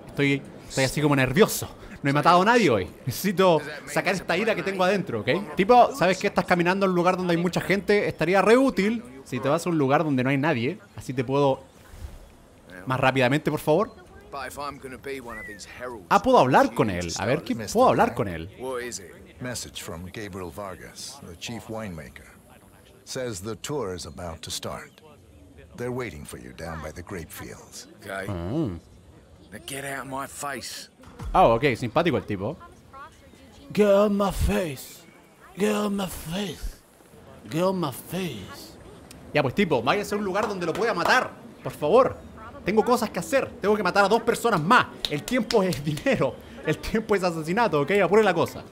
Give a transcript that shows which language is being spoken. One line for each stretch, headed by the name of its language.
Spanish: Estoy así como nervioso. No he matado a nadie hoy. Necesito sacar esta ira que tengo adentro, ¿ok? Tipo, ¿sabes que estás caminando en un lugar donde hay mucha gente? Estaría re útil si te vas a un lugar donde no hay nadie. Así te puedo. Más rápidamente, por favor. Puedo hablar con él. A ver, ¿qué puedo hablar con él?
English: Message from Gabriel Vargas, the chief winemaker. Says the tour is about to start. They're waiting for you down by the grape fields. Okay. Now get out of my face.
Spanish: Oh, okay, simpático el tipo.
English: Get out of my face. Get out of my face. Get out of my face.
Spanish: Ya pues tipo, vaya a ser un lugar donde lo pueda matar. Por favor. Tengo cosas que hacer. Tengo que matar a dos personas más. El tiempo es dinero. El tiempo es asesinato, ¿ok? Apure la cosa.